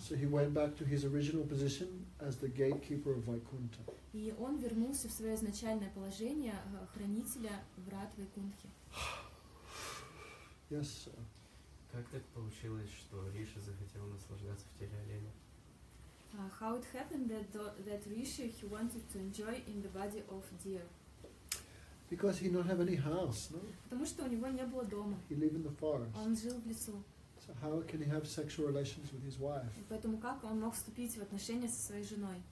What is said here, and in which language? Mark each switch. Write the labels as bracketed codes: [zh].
[en] So he went back to his original position as the gatekeeper of Vaikuntha. [ru] И он вернулся в свое изначальное положение хранителя врат Вайкунтхи. [en] Yes, sir. [ru] Как так получилось, что Риша захотел наслаждаться в теле оленя? [en] How it happened that Риша he wanted to enjoy in the body of deer? Because he did not have any house, no? [ru] Потому что у него не было дома. [en] He lived in the forest. [ru] Он жил в лесу. [en] So how can he have sexual relations with his wife? [ru] Поэтому как он мог вступить в отношения со своей женой?